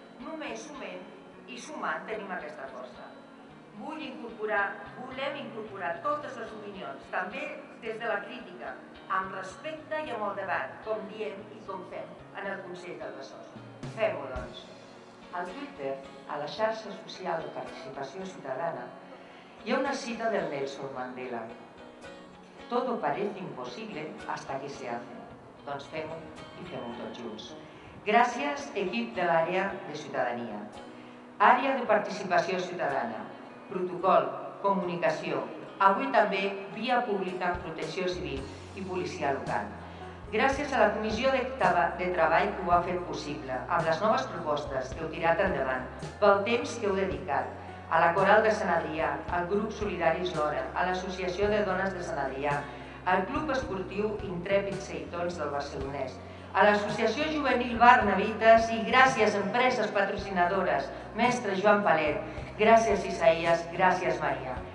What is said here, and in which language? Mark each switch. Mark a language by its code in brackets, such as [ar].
[ca] Només sumant i sumant tenim aquesta força. Volem incorporar totes les opinions, també des de la crítica, amb respecte i amb el debat, com diem i com fem en el Consell del Besòs. Fem-ho, doncs. Al Twitter, a la xarxa social de participació ciutadana, hi ha una cita del Nelson Mandela. [es] Todo parece imposible hasta que se hace. [ca] Doncs fem-ho i fem-ho tots junts. Gràcies, equip de l'àrea de ciutadania. Àrea de participació ciutadana. Protocol, comunicació, avui també via pública, protecció civil i policia local. Gràcies a la comissió de treball que ho ha fet possible, amb les noves propostes que heu tirat endavant, pel temps que heu dedicat, a la Coral de Sant Adrià, al grup Solidaris Lora, a l'Associació de Dones de Sant Adrià, al Club Esportiu Intrèpid Seitons del Barcelonès, a l'Associació Juvenil Barnabites i gràcies a empreses patrocinadores, mestre Joan Palet, gràcies Isaías, gràcies Maria.